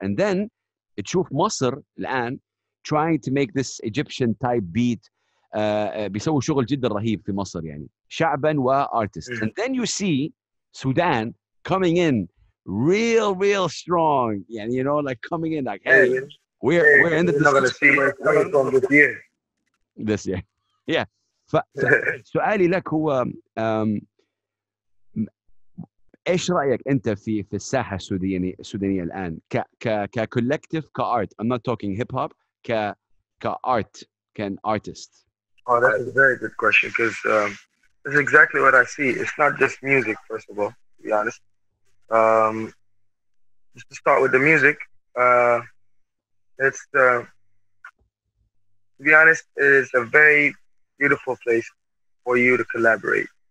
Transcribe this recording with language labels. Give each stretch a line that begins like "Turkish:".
English: And then
Arabic: تشوف مصر الآن
English: trying to make this Egyptian type beat,
Arabic: بيسوي شغل جدا رهيب في مصر يعني شعبا وartist.
English: And then you see Sudan coming in real, real strong. Yeah, you know, like coming in, like, hey, we're in the discussion. This year. Yeah.
Arabic: سؤالي لك هو إيش رأيك أنت في الساحة السودانية الآن ك collective, ك art.
English: I'm not talking hip hop. ك art, ك artist. Oh, that's a very good question because that's exactly what I see. It's not just music, first of all, to be honest. Just to start with the music, to be honest, it is a very beautiful place for you to collaborate.